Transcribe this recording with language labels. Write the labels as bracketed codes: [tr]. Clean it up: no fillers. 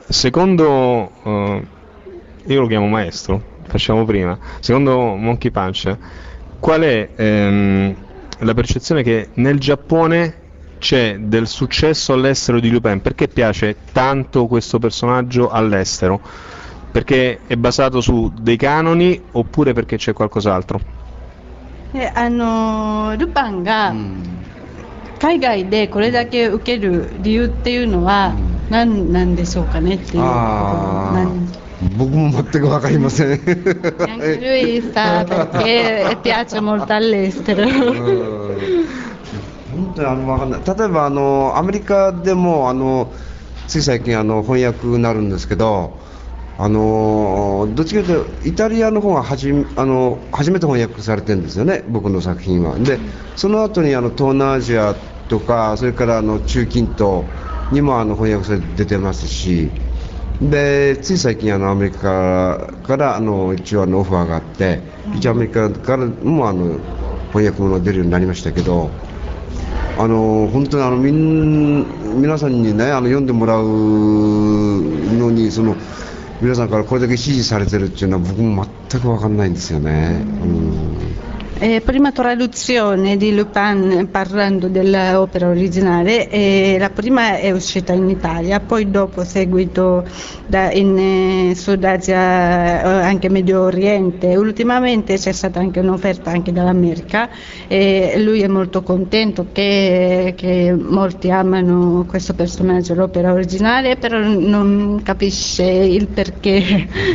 [it] Secondo, io lo chiamo maestro, facciamo prima, secondo Monkey Punch, qual è la percezione che nel Giappone c'è del successo all'estero di Lupin? Perché piace tanto questo personaggio all'estero? Perché è basato su dei canoni oppure perché c'è qualcos'altro? [ja] ルパンが海外でこれだけ受ける理由っていうのは何なんでしょうかねっていうことなんです。僕も全く分かりません。 [it] Anche lui sa perché piace molto all'estero. [ja] 本当に分かんない。例えばアメリカでもつい最近翻訳になるんですけど、どっちかというとイタリアの方がはじ、あの初めて翻訳されてるんですよね、僕の作品は。で、その後に東南アジアとか、それから中近東にも翻訳されて出てますし、でつい最近アメリカから一応オファーがあって、一応アメリカからも翻訳物が出るようになりましたけど、本当に皆さんにね、読んでもらうのに、その皆さんからこれだけ支持されてるっていうのは、僕も全く分かんないんですよね。 [it] Prima traduzione di Lupin parlando dell'opera originale, la prima è uscita in Italia, poi dopo seguito in Sud Asia, anche Medio Oriente. Ultimamente c'è stata anche un'offerta anche dall'America e lui è molto contento che molti amano questo personaggio, l'opera originale, però non capisce il perché.